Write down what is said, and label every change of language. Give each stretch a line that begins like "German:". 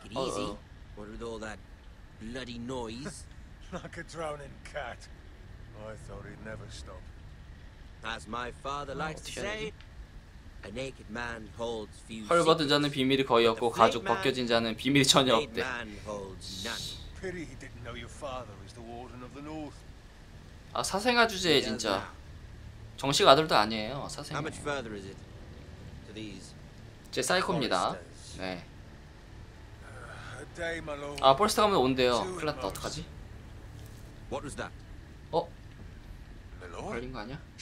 English: 어. With all that bloody noise, like a drowning cat. I thought he'd never stop. As my father likes to say, a naked man holds few secrets.
Korean: 헐 벗은 자는 비밀이 거의 없고 가죽 벗겨진 자는 비밀이 전혀 없대. Pity he didn't know your father is the warden of the north. 아 사생아 주제에 진짜. 정식 아들도 아니에요, 사생아.
English: How much further is it?
Korean: 제 사이코입니다. 네. 아, 포레스터 가면 온대요. 큰일 났다. 어떡하지? 어? 걸린 거 아니야?